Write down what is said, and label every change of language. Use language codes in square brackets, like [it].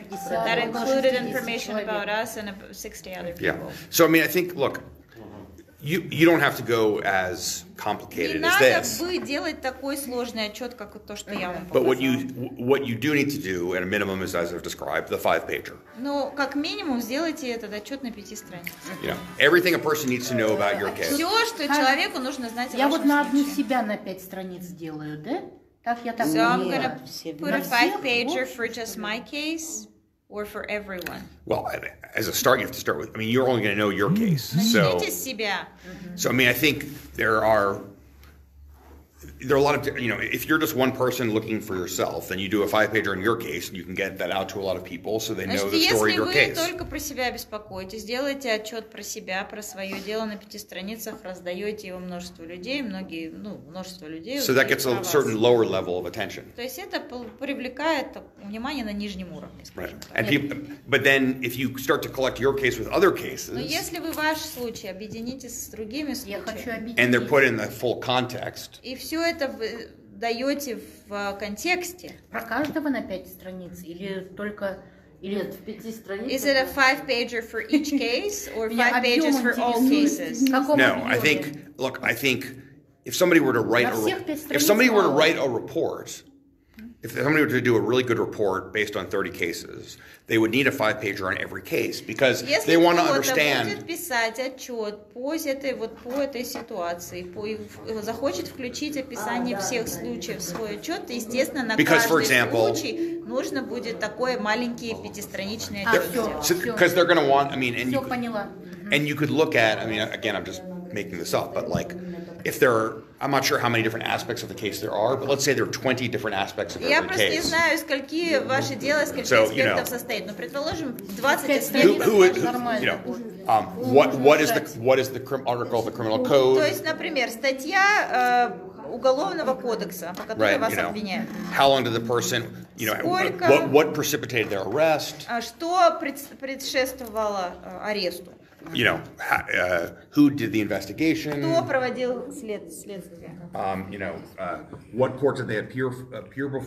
[en] That included information about us and 60 other people. Yeah. So, I mean, I think, look, You don't have to go as complicated as this. [ru] Не надо бы делать такой сложный отчет, как то, что я вам показала. [en] But what you do need to do at a minimum is, as I've described, the 5-pager. [ru] Но как минимум сделайте этот отчет на 5 страницах. [en] You know, everything a person needs to know about your case. [ru] Все, что человеку нужно знать. Я вот на одну себя на 5 страниц сделаю, да? Так я так. [en] So I'm gonna put a 5-pager for just my case. Or for everyone. Well, as a start, you have to start with, I mean, you're only going to know your case. So, I mean, I think there are a lot of, you know, if you're just one person looking for yourself, then you do a 5-pager in your case, and you can get that out to a lot of people, so they know the story of your case. [ru] Если вы только про себя беспокоитесь, делайте отчет про себя, про свое дело на 5 страницах, раздаете его множеству людей, множество людей. [en] So that gets a certain lower level of attention. [ru] То есть это привлекает внимание на нижнем уровне. [en] Right. And people, but then if you start to collect your case with other cases. [ru] Но если вы ваш случай объедините с другими случаями. Я хочу объединить. [en] And they're put in the full context. [ru] Все это вы даете в контексте. Про каждого на 5 страниц или только или в 5 страниц? [en] Is it a 5-pager for each case or 5 pages for all cases? No, I think. Look, I think if somebody were to write a report, If somebody were to do a really good report based on 30 cases, they would need a five-pager on every case because [ru] Если [en] they want to understand. [ru] Если кто-то будет писать отчет по этой ситуации, захочет включить описание всех случаев в свой отчет, то, естественно, на [en] because, [ru] каждый [en] example, [ru] случай нужно будет такой маленький пятистраничный отчет. [en] Because they're going to want, I mean, and, you could, and you could look at, I mean, again, I'm just making this up, but like, if there are, I'm not sure how many different aspects of the case there are, but let's say there are 20 different aspects of every case. [ru] Я просто не знаю, скольки ваши дела, скольки аспектов состоит. Но предположим, 20 аспектов. [en] Who is, you know, what is the article of the criminal code? [ru] То есть, например, статья уголовного кодекса, по которой [en] right, [ru] вас [en] you know, [ru] обвиняют. [en] How long did the person, you know, [ru] сколько, [en] what precipitated their arrest? [ru] Что предшествовало аресту? [en] You know, who did the investigation? [ru] Кто проводил следствие? [en] You know, what court did they appear before?